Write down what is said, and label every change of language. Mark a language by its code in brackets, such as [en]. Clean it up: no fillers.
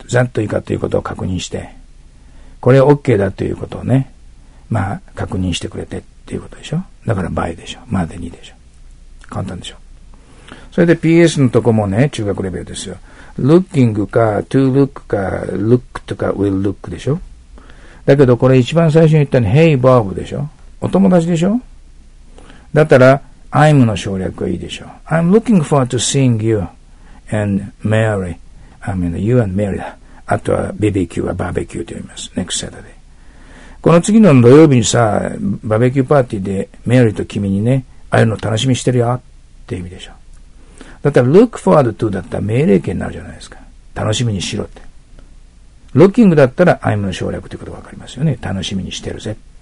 [ja] that 以下ということを確認して、これ OK だということをね、まあ、確認してくれてっていうことでしょ。だから by でしょ。までにでしょ。簡単でしょ。それで PS のとこもね、中学レベルですよ。 looking か to look か look とか will look でしょ。だけどこれ一番最初に言ったの Hey Bob でしょ。お友達でしょ。だったら I'm の省略がいいでしょ。 [en] I'm looking forward to seeing you and Mary. I mean you and Mary [ja] だ。あとは BBQ はバーベキューと言います。 [en] Next Saturday。 [ja] この次の土曜日にさ、バーベキューパーティーで Mary と君にね、会えるの楽しみしてるよって意味でしょ。だったら [en] look forward to [ja] だったら命令形になるじゃないですか。楽しみにしろって。 looking だったら I'm の省略ということが分かりますよね。楽しみにしてるぜ。